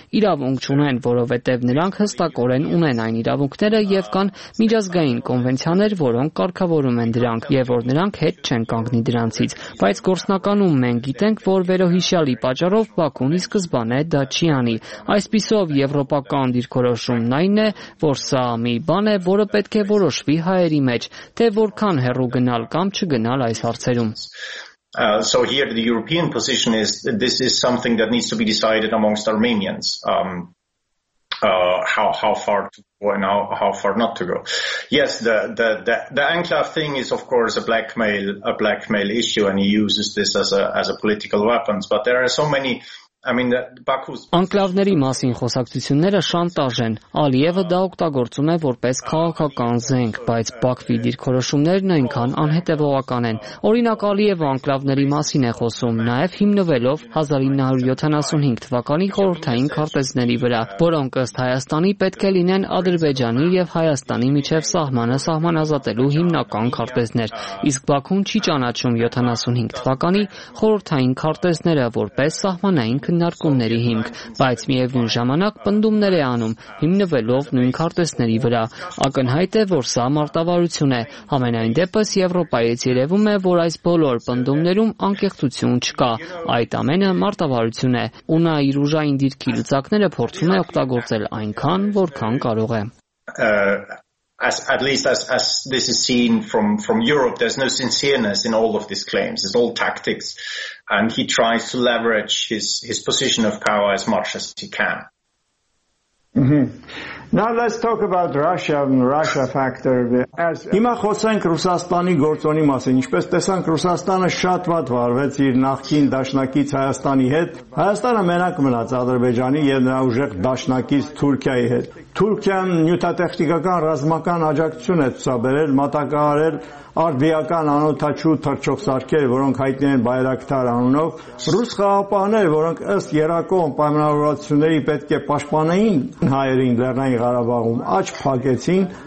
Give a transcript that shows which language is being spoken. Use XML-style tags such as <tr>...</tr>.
<hy>իրավունք չունեն, որովհետև նրանք հստակորեն ունեն այն իրավունքները, եւ կան միջազգային կոնվենցիաներ, որոնք կարգավորում են դրանք, եւ որ նրանք հետ չեն կանգնի դրանցից, բայց գործնականում մենք գիտենք, որ վերոհիշյալի պատճառով Բաքուն ի սկզբանե դա չի անի։ Այսպիսով եվրոպական դիրքորոշումն այն է, որ սա մի բան է, որը պետք է որոշվի հայերի մեջ, թե որքան հեռու գնալ կամ չգնալ այս հարցերում։</hy> <en>So here the European position is that this is something that needs to be decided amongst Armenians. How far to go and how far not to go. Yes, the enclave thing is of course a blackmail issue, and he uses this as a political weapon. But there are so many.</en> <hy>Անկլավների մասին խոսակցությունները շանտաժ են։ Ալիևը դա օգտագործում է որպես քաղաքական զենք, բայց Բաքվի դիրքորոշումներն այնքան անհետևողական են։ Օրինակ Ալիևը անկլավների մասին է խոսում, նաև հիմնվելով 1975 թվականի խորհրդային քարտեզների վրա, որոնք ըստ Հայաստանի պետք է լինեն Ադրբեջանի եւ Հայաստանի միջև սահմանը սահմանազատելու հիմնական քարտեզներ, իսկ Բաքուն չի ճանաչում 75 թվականի խորհրդային քարտեզները որպես սահմանային քննարկումների հիմք, բայց միևնույն ժամանակ պնդումներ է անում հիմնվելով նույն քարտեզների վրա։ Ակնհայտ է, որ սա մարտավարություն է։ Համենայն դեպս Եվրոպայից երևում է, որ այս բոլոր պնդումներում անկեղծություն չկա, այդ ամենը մարտավարություն է, ու նա իր ուժային դիրքի լծակները փորձում է օգտագործել այնքան, որքան կարող է։</hy> <en>As this is seen from Europe, there's no sincereness in all of these claims. It's all tactics, and he tries to leverage his position of power as much as he can. Mm-hmm. Now let's talk about Russia and Russia factor.</en> <hy>Հիմա խոսենք Ռուսաստանի գործոնի մասին։ Ինչպես տեսանք, Ռուսաստանը շատ վատ վարվեց իր նախկին դաշնակից Հայաստանի հետ։ Հայաստանը մենակ մնաց Ադրբեջանի եւ նրա ուժեղ դաշնակից Թուրքիայի հետ։ Թուրքիան նյութատեխնիկական ռազմական աջակցություն է ցուցաբերել, մատակարարել արդիական անօթաչու թռչող սարքեր, որոնք հայտնի են Բայրակտար անունով, ռուս խաղապահները, որոնք ըստ երակող պայմանավորվածությունների պետք է պաշտպանային հայերին Լեռնային Ղարաբաղում, աչք փակեցին,</hy>